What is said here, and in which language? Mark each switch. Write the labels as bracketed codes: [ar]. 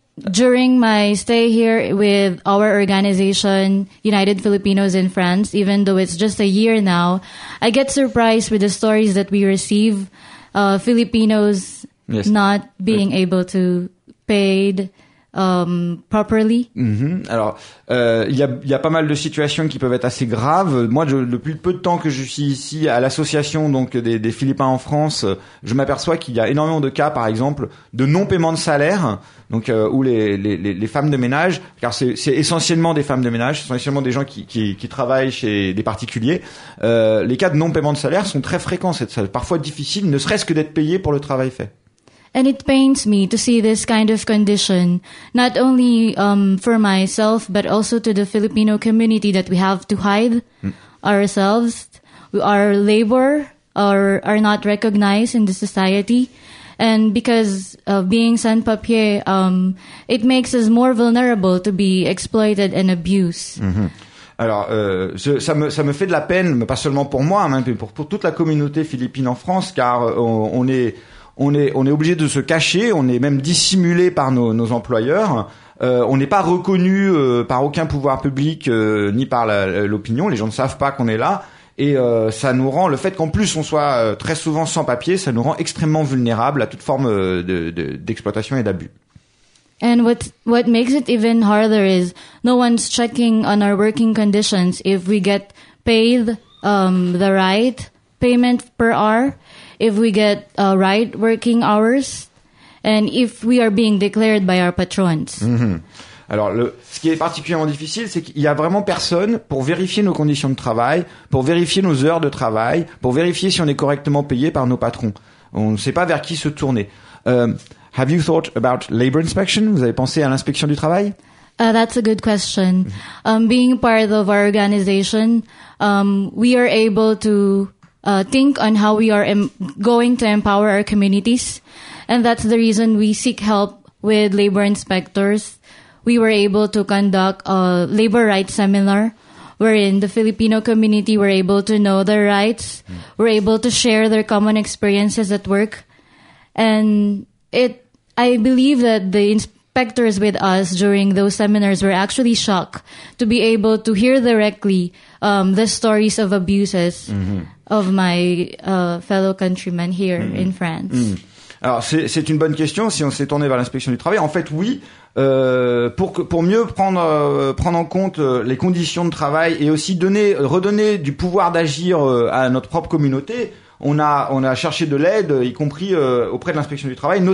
[en] During my stay here with our organization, United Filipinos in France, even though it's just a year now, I get surprised with the stories that we receive, Filipinos yes, not being yes, able to paid properly. Mm-hmm. [fr] Alors, il y a pas mal de situations qui peuvent être assez graves. Moi, depuis le peu de temps que je suis ici à l'association donc des Philippins en France, je m'aperçois qu'il y a énormément de cas, par exemple, de non-paiement de salaire, donc où les femmes de ménage, car c'est essentiellement des femmes de ménage, ce sont essentiellement des gens qui travaillent chez des particuliers. Les cas de non-paiement de salaire sont très fréquents, c'est parfois difficile, ne serait-ce que d'être payé pour le travail fait. [en] And it pains me to see this kind of condition, not only for myself, but also to the Filipino community that we have to hide ourselves. Our labor are not recognized in the society. And because of being sans-papier, it makes us more vulnerable to be exploited and abused. Mm-hmm. [fr] Alors, ça me fait de la peine, mais pas seulement pour moi, mais pour toute la communauté philippine en France, car on est obligé de se cacher, on est même dissimulé par nos employeurs. On n'est pas reconnu par aucun pouvoir public ni par l'opinion. Les gens ne savent pas qu'on est là et ça nous rend, le fait qu'en plus on soit très souvent sans papier, ça nous rend extrêmement vulnérables à toute forme d'exploitation et d'abus. [en] And what makes it even harder is no one's checking on our working conditions. If we get paid the right payment per hour, if we get right working hours, and if we are being declared by our patrons. Mm-hmm. [fr] Alors, ce qui est particulièrement difficile, c'est qu'il n'y a vraiment personne pour vérifier nos conditions de travail, pour vérifier nos heures de travail, pour vérifier si on est correctement payé par nos patrons. On ne sait pas vers qui se tourner. [en] Have you thought about labor inspection? [fr] Vous avez pensé à l'inspection du travail? [en] That's a good question. Being part of our organization, we are able to think on how we are going to empower our communities. And that's the reason we seek help with labor inspectors. We were able to conduct a labor rights seminar wherein the Filipino community were able to know their rights, were able to share their common experiences at work. And I believe that the inspectors with us during those seminars were actually shocked to be able to hear directly the stories of abuses of my fellow countrymen here in France. [fr] Alors, c'est une bonne question si on s'est tourné vers l'inspection du travail. En fait, oui, pour mieux prendre en compte les conditions de travail et aussi redonner du pouvoir d'agir à notre propre communauté, on a cherché de l'aide, y compris auprès de l'inspection du travail.